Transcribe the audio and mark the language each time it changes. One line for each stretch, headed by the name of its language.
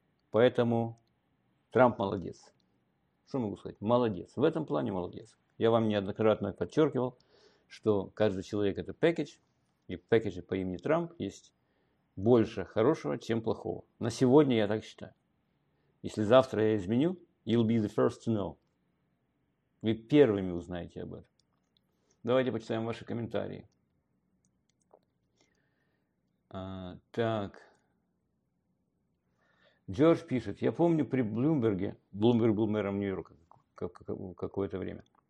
Russian: Поэтому Трамп молодец. Что могу сказать? Молодец. В этом плане молодец. Я вам неоднократно подчеркивал, что каждый человек – это package. И в пакете по имени Трамп есть больше хорошего, чем плохого. На сегодня я так считаю.
English: Если завтра я изменю, you'll be the first to know.
Russian: Вы первыми узнаете об этом. Давайте почитаем ваши комментарии. Так. Джордж пишет. Я помню при Блумберге. Блумберг был мэром Нью-Йорка какое-то время.